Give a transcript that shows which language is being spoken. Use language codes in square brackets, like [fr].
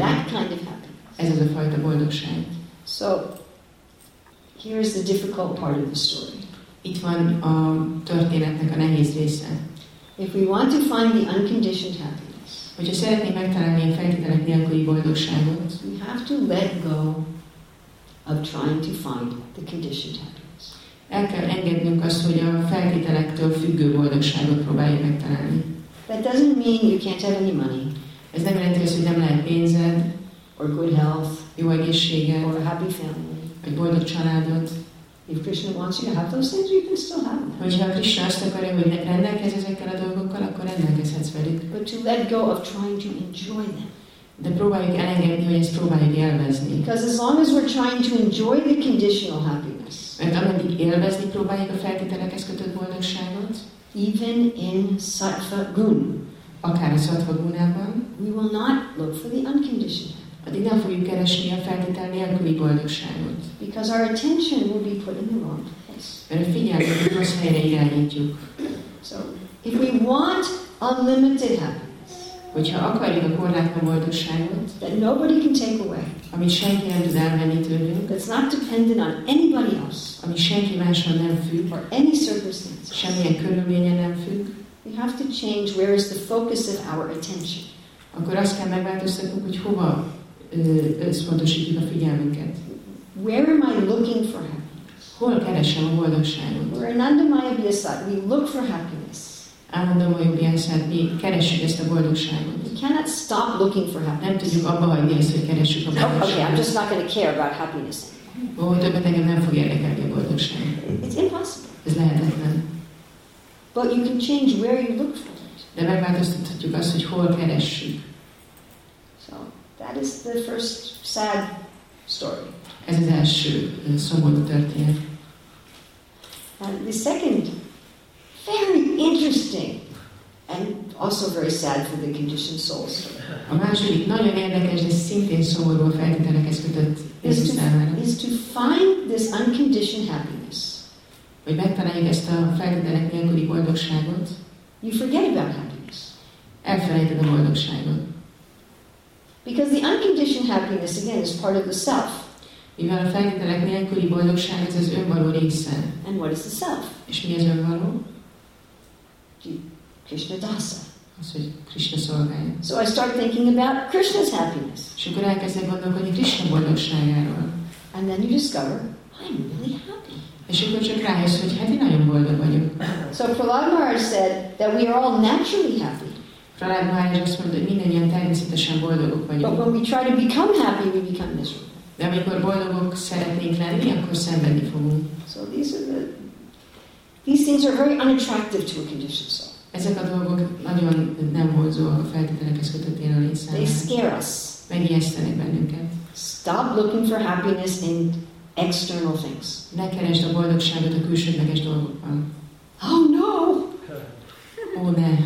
[en] That kind of happiness. [hu] Ez az a fajta boldogság. [en] So, here is the difficult part of the story. [hu] Itt van a történetnek a nehéz része. [en] If we want to find the unconditioned happiness, [hu] hogyha szeretnénk megtalálni a feltételek nélküli boldogságot, [en] we have to let go of trying to find the conditioned happiness. [hu] El kell engednünk azt, hogy a feltételektől függő boldogságot próbáljuk megtalálni. [en] That doesn't mean you can't have any money. [hu] Ez nem jelenti azt, hogy nem lehet pénzed, [en] or good health, [hu] jó egészséged, [en] or a happy family, [hu] vagy boldog családod. [en] If Krishna wants you to have those things, you can still have them. [hu] Hogyha Krishna azt akarja, hogy rendelkezz ezekkel a dolgokkal, akkor rendelkezhetsz velük. [en] But to let go of trying to enjoy them. [hu] De próbáljuk elengedni, hogy ezt próbáljuk élvezni. [en] Because as long as we're trying to enjoy the conditional happiness. [hu] Mert ameddig élvezni próbáljuk a feltételekhez kötött boldogságot. [en] Even in sattva gun. [hu] Akár a sattva gunában. [en] We will not look for the unconditional. [hu] Addig nem fogjuk keresni a feltétel nélküli boldogságot. [en] Because our attention will be put in the wrong place. [hu] Mert a figyelmet rossz helyre irányítjuk. [en] So, if we want unlimited happiness, [hu] hogyha akarjuk a korlátlan boldogságot, [en] that nobody can take away, [hu] amit senki nem tud elvenni tőlünk, [en] that's not dependent on anybody else, [hu] ami senki máson nem függ, [en] or any circumstance, [hu] semmilyen körülményen nem függ, [en] we have to change where is the focus of our attention. [hu] akkor azt kell megváltoztatnunk, hogy hova összpontosítjuk a figyelmünket. [en] Where am I looking for happiness? [hu] Hol keresem a boldogságot? [en] Where Ananda Maya Vyasat, we look for happiness. [hu] Ananda Maya Vyasat, mi keresjük ezt a boldogságot. [en] We cannot stop looking for happiness. [hu] Nem tudjuk abba hagyni ezt, hogy keresjük a boldogságot. [en] Okay, I'm just not going to care about happiness. [hu] Ó, többet engem nem fog érdekelni a boldogság. [en] It's impossible. [hu] Ez lehetetlen. [en] But you can change where you look for it. [hu] De megváltoztathatjuk azt, hogy hol keressük. [en] So, that is the first sad story. [hu] Ez az első szomorú történet. [en] And the second, very interesting, and also very sad for the conditioned souls. [hu] A második nagyon érdekes, de szintén szomorú feltételekhez kötött számára. [en] Is to find this unconditioned happiness. [hu] Hogy megtaláljuk ezt a feltételek nélküli boldogságot. [en] You forget about happiness. [hu] Elfelejted a boldogságot. [en] Because the unconditioned happiness, again, is part of the self. [hu] Mivel a feltételek nélküli boldogság, ez az önvaló része. [en] And what is the self? [hu] És mi az önvaló? [en] Krishna dasa. [hu] Az, hogy Krishna szolgálja. [en] So I start thinking about Krishna's happiness. [hu] És akkor elkezdek gondolkodni Krishna boldogságáról. [en] And then you discover, I'm really happy. [hu] És akkor csak rájössz, hogy hát én nagyon boldog vagyok. [en] So Prahlad Maharaj said that we are all naturally happy. [hu] Prahlad Maharaj azt mondta, hogy mindannyian természetesen boldogok vagyunk. [en] But when we try to become happy, we become miserable. [hu] De amikor boldogok szeretnénk lenni, akkor szenvedni fogunk. [en] So these things are very unattractive to a conditioned soul. [hu] Ezek a dolgok nagyon nem vonzóak a feltételekhez kötött élőlény számára. [en] They scare us. [hu] Megijesztenek bennünket. [en] Stop looking for happiness in external things. [hu] Ne keresd a boldogságot a külsődleges dolgokban. [en] Oh no! [hu] Oh ne!